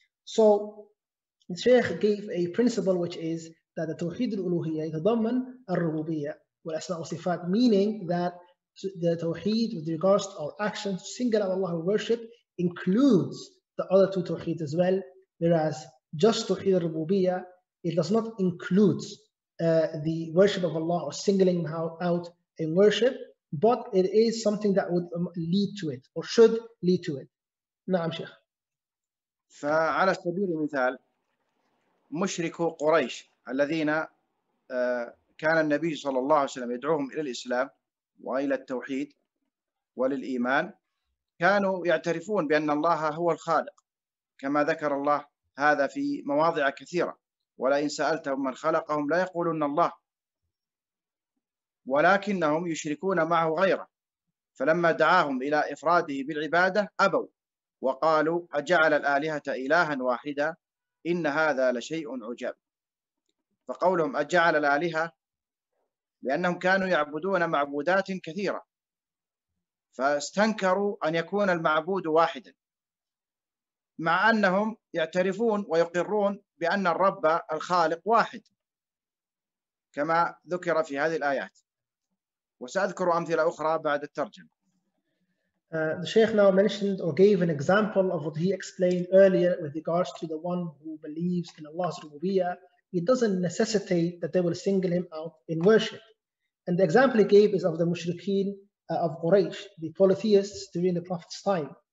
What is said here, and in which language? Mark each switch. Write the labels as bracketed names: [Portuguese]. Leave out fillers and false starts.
[English] So the Shaykh gave a principle, which is that the Tawheed al-Uluhiyyah [Arabic] yatadamman al-Rububiyyah wal asma' wa sifat, [English] meaning that the Tawheed with regards to our actions, single out Allah and worship, includes the other two Tawheeds as well, whereas just Tawheed al-Rububiyyah, it does not include the worship of Allah or singling out in worship, but it is something that would lead to it or should lead to it. [Arabic] Na'am Shaykh. فعلى سبيل المثال مشركو قريش الذين كان النبي صلى الله عليه وسلم يدعوهم إلى الإسلام وإلى التوحيد وللإيمان، كانوا يعترفون بأن الله هو الخالق كما ذكر الله هذا في مواضع كثيرة، ولئن سألتهم من خلقهم لا يقولون الله، ولكنهم يشركون معه غيره. فلما دعاهم إلى إفراده بالعبادة أبوا وقالوا أجعل الآلهة إلها واحدة إن هذا لشيء عجاب. فقولهم أجعل الآلهة، لأنهم كانوا يعبدون معبودات كثيرة، فاستنكروا أن يكون المعبود واحدا، مع أنهم يعترفون ويقرون بأن الرب الخالق واحد كما ذكر في هذه الآيات، وسأذكر أمثلة أخرى بعد الترجمة. [English] The Shaykh now mentioned or gave an example of what he explained earlier with regards to the one who believes in Allah's rububiyyah. It doesn't necessitate that they will single him out in worship. And the example he gave is of the mushrikeen of Quraysh, the polytheists during the Prophet's time.